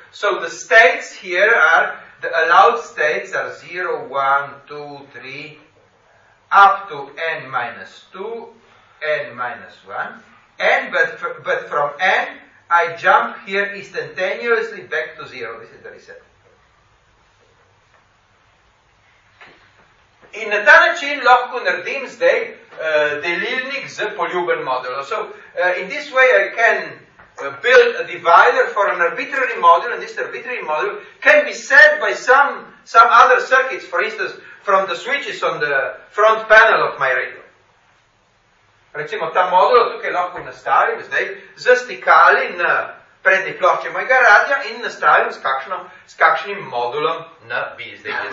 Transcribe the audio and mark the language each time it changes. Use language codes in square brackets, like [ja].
[en] So, the states here are, the allowed states are 0, 1, 2, 3, up to n minus 2, n minus 1. N, but from N, I jump here instantaneously back to zero. This is the reset. [sl] In na ta način lahko naredim zdaj delilnik z poljuben modulo. [en] So, in this way I can build a divider for an arbitrary module, and this arbitrary module can be set by some other circuits, for instance, from the switches on the front panel of my radio. [sl] Recimo, ta modulo tukaj lahko nastavim zdaj z stikali na prednji plošči mojega radija in nastavim s kakšnim modulom na BSD.